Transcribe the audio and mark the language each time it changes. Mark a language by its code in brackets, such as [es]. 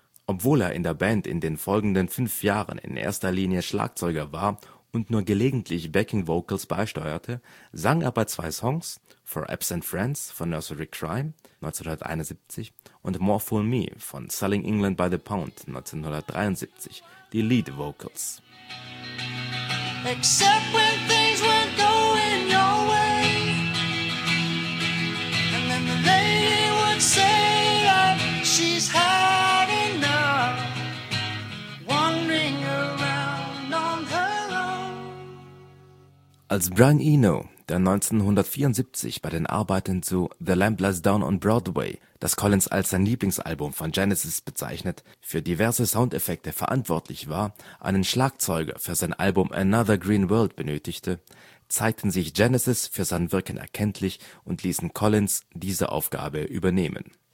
[de] Obwohl er in der Band in den folgenden 5 Jahren in erster Linie Schlagzeuger war und nur gelegentlich Backing Vocals beisteuerte, sang er bei 2 Songs, For Absent Friends von Nursery Crime 1971 und More Fool Me von Selling England by the Pound 1973, die Lead Vocals. [en] Except when things weren't going your way, and then the lady would say that she's had enough, wandering around on her own. [de] Als Brian Eno, der 1974 bei den Arbeiten zu The Lamb Lies Down on Broadway, das Collins als sein Lieblingsalbum von Genesis bezeichnet, für diverse Soundeffekte verantwortlich war, einen Schlagzeuger für sein Album Another Green World benötigte, zeigten sich Genesis für sein Wirken erkenntlich und ließen Collins diese Aufgabe übernehmen.